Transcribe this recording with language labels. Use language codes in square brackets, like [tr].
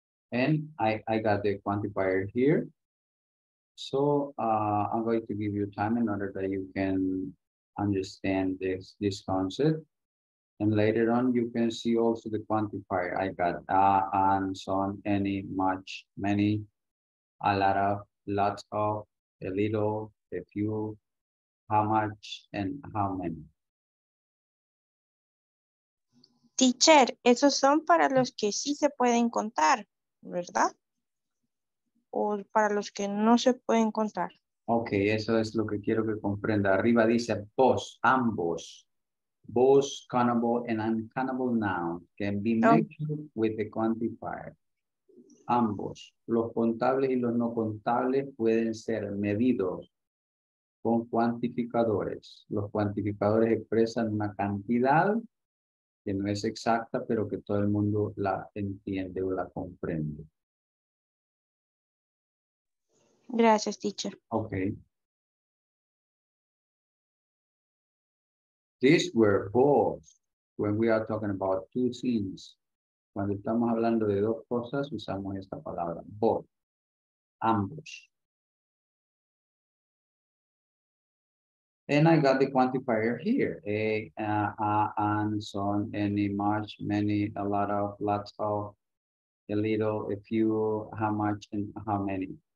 [en] And I got the quantifier here. So I'm going to give you time in order that you can understand this concept. And later on, you can see also the quantifier. I got and so on, any, much, many, a lot of, lots of, a little, a few, how much, and how many. [es] Teacher, esos son para los que sí se pueden contar, ¿verdad? O para los que no se pueden contar. Ok, eso es lo que quiero que comprenda. Arriba dice, [en] both, ambos, both countable and uncountable nouns can be measured with the quantifier. [es] Ambos, los contables y los no contables pueden ser medidos con cuantificadores. Los cuantificadores expresan una cantidad que no es exacta, pero que todo el mundo la entiende o la comprende. Gracias, teacher. [en] Okay. These were both when we are talking about two things. [es] Cuando estamos hablando de dos cosas, usamos esta palabra, both, ambos. [en] And I got the quantifier here, and so on, any, much, many, a lot of, lots of, a little, a few, how much, and how many.